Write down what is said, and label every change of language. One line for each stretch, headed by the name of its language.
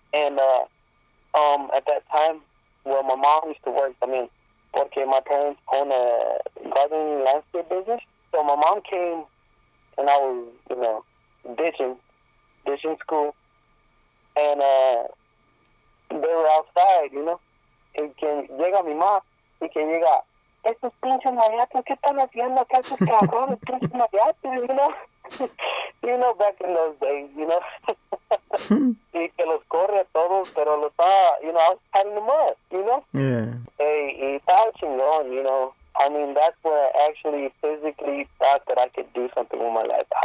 English: And at that time, well, my mom used to work, I mean, porque my parents own a gardening landscape business. So my mom came, and I was, you know, ditching school, and they were outside, you know.
Spanish: Y que llega mi mamá, y que llega, estos pinches mayates, ¿qué están haciendo? ¿Qué haces, cabrón? Estos mayates,
English: you know. You know, back in those days, you know.
Spanish: Y que los corre a todos, pero los está,
English: you know, I was patting them up, you know. Yeah.
Spanish: Y estaba chingón,
English: you know. I mean, that's where I actually physically thought that I could do something with my life.